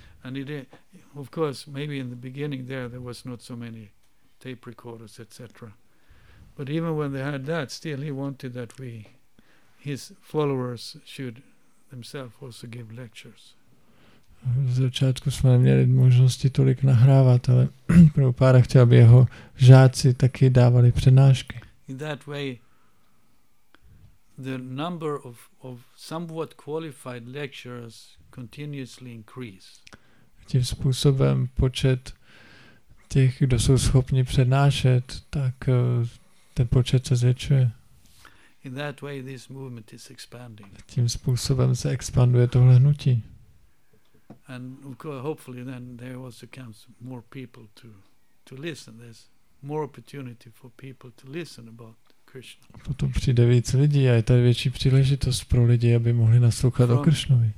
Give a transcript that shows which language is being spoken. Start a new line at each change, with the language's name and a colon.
English: And it, of course, maybe in the beginning there was not so many tape recorders, etc. But even when they had that, still he wanted that we, his followers, should themselves also give lectures.
Czech: Z začátku jsme neměli možnosti tolik nahrávat, ale Prabhupada chtěl, aby jeho žáci taky dávali přednášky.
English: In that way, the number of somewhat qualified lecturers continuously increase.
Czech: Tím způsobem počet těch, kdo jsou schopni přednášet, tak ten počet se zvětšuje.
English: In that way, this movement is expanding.
Czech: Tím způsobem se expanduje tohle hnutí.
English: And of course, hopefully then there also comes more people to listen. There's more opportunity for people to listen about Krishna.
Czech: Potom přijde víc lidí a je tady větší příležitost pro lidi, aby mohli naslouchat o Krishnovi.